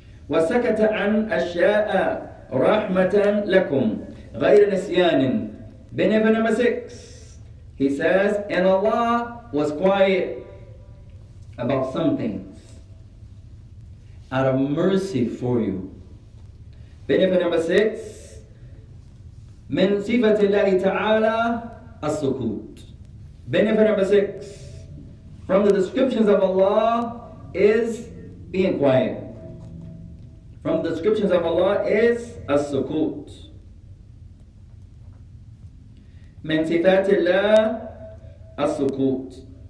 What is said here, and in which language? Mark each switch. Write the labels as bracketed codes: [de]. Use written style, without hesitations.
[ar] وَسَكَتَ عَنْ أَشْيَاءَ رَحْمَةً لَكُمْ غَيْرَ نِسْيَانٍ. [en] Benefit number 6, he says, and Allah was quiet about some things out of mercy for you. Benefit number 6, [ar] من صفة الله تعالى السكوت. [en] Benefit number 6, from the descriptions of Allah is being quiet. From the descriptions of Allah is السكوت. [ar] من صفات الله السكوت.